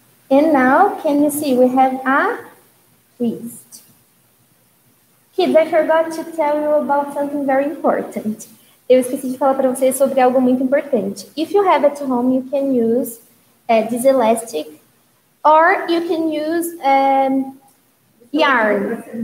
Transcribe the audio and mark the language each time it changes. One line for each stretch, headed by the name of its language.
English: And now, can you see, we have a twist. Kids, I forgot to tell you about something very important.
Portuguese: Eu esqueci de falar para vocês sobre algo muito importante.
English: If you have at home, you can use this elastic, or you can use yarn.